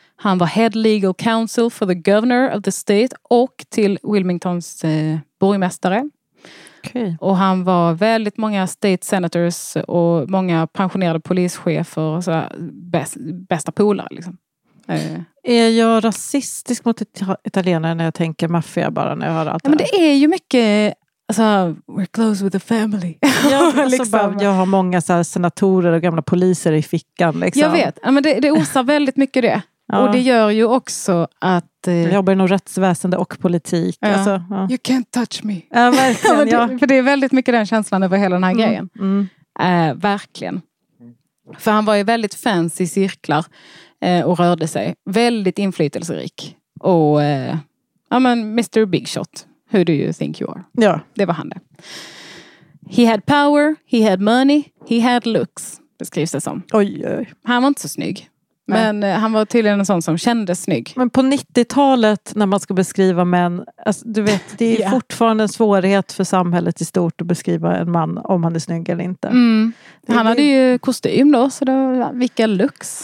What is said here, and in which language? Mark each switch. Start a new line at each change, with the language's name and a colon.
Swedish: Han var
English: head legal counsel for the governor of the state
Swedish: och till Wilmingtons borgmästare.
English: Okay.
Swedish: Och han var väldigt många state senators och många pensionerade polischefer och så där, bästa polare liksom. Är jag rasistisk mot italienare när jag tänker maffia bara när jag hör allt det? Ja, men det är ju mycket
English: Alltså, we're close with the family.
Swedish: Ja, alltså, liksom. Jag har många så här senatorer och gamla poliser i fickan. Liksom. Jag vet, men det osar väldigt mycket det. Ja. Och det gör ju också att... Jag jobbar inom rättsväsende och politik. Ja. Alltså, ja.
English: You can't touch me.
Swedish: Ja, verkligen. det, ja. För det är väldigt mycket den känslan över hela den här grejen. Mm. Mm. Verkligen. För han var ju väldigt fancy i cirklar och rörde sig. Väldigt inflytelserik. Och
English: Mr. Big Shot. Who do you think you are?
Swedish: Ja. Det var han det.
English: He had power, he had money, he had looks,
Swedish: beskrivs det som. Oj, oj. Han var inte så snygg. Men han var tydligen en sån som kändes snygg. Men på 90-talet, när man ska beskriva män, alltså, du vet, det är fortfarande en svårighet för samhället i stort att beskriva en man, om han är snygg eller inte. Mm. Han hade ju kostym då, så då, vilka lux.